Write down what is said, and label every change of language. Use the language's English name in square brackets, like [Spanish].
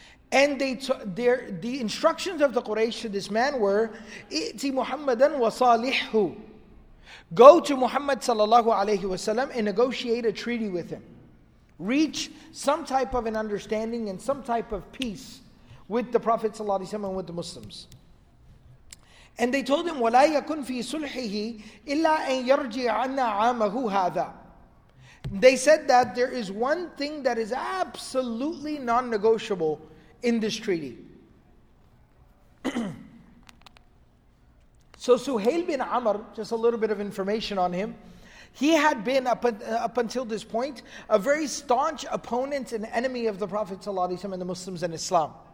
[English] And the instructions of the Quraysh to this man were, [Arabic] "Iti Muhammadan wa salihhu." [English] Go to Muhammad sallallahu alaihi wasallam and negotiate a treaty with him. Reach some type of an understanding and some type of peace with the Prophet sallallahu alaihi wasallam and with the Muslims. And they told him, [Arabic] وَلَا يَكُنْ فِي سُلْحِهِ إِلَّا أَنْ يَرْجِعَ عَنَّا عَامَهُ هَذَا. [English] They said that there is one thing that is absolutely non-negotiable in this treaty. So Suhail bin Amr, just a little bit of information on him, he had been up until this point a very staunch opponent and enemy of the Prophet ﷺ and the Muslims and Islam.